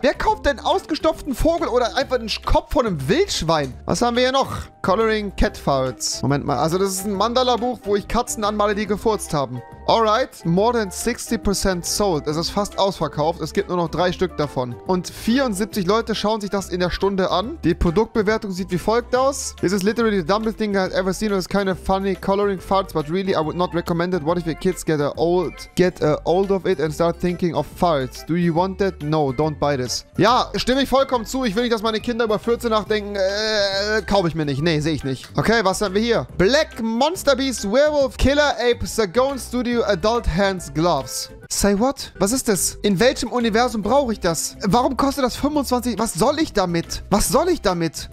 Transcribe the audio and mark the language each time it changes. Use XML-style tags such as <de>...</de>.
<de>Wer kauft denn ausgestopften Vogel oder einfach den Kopf von einem Wildschwein? Was haben wir hier noch? Coloring Cat Farts. Moment mal, also das ist ein Mandala-Buch, wo ich Katzen anmale, die gefurzt haben.</de> <en>Alright, more than 60% sold.</en> <de>Es ist fast ausverkauft. Es gibt nur noch 3 Stück davon. Und 74 Leute schauen sich das in der Stunde an. Die Produktbewertung sieht wie folgt aus.</de> <en>This is literally the dumbest thing I've ever seen. It's kind of funny coloring farts, but really I would not recommend it. What if your kids get old of it and start thinking of farts? Do you want that? No, don't buy this.</en> <de>Ja, stimme ich vollkommen zu. Ich will nicht, dass meine Kinder über 14 nachdenken. Kaufe ich mir nicht. Nee, sehe ich nicht. Okay, was haben wir hier? Black Monster Beast Werewolf Killer Ape Sagone Studio. Adult Hands Gloves.</de> <en>Say what?</en> <de>Was ist das? In welchem Universum brauche ich das? Warum kostet das 25? Was soll ich damit? Was soll ich damit?</de>